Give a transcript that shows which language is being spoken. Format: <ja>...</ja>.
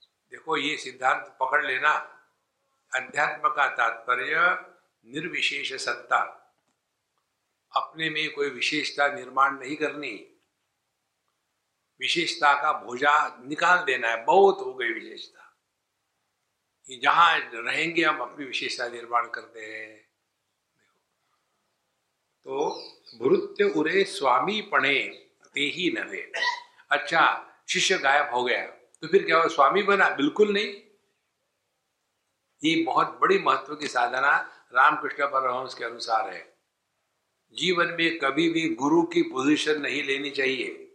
<hi>देखो ये सिद्धांत पकड़ लेना, अध्यात्म का तात्पर्य निर्विशेष सत्ता. अपने में कोई विशेषता निर्माण नहीं करनी, विशेषता का भोजा निकाल देना है, बहुत हो गई विशेषता. जहां रहेंगे हम अपनी विशेषता निर्माण करते हैं.</hi> <mr>तो भृत्य उरे स्वामी पणे ते ही नवे.</mr> <hi>अच्छा, शिष्य गायब हो गया तो फिर क्या हो? स्वामी बना? बिल्कुल नहीं. ये बहुत बड़ी महत्व की साधना रामकृष्ण परमहंस के अनुसार है. जीवन में कभी भी गुरु की पोजीशन नहीं लेनी चाहिए.</hi>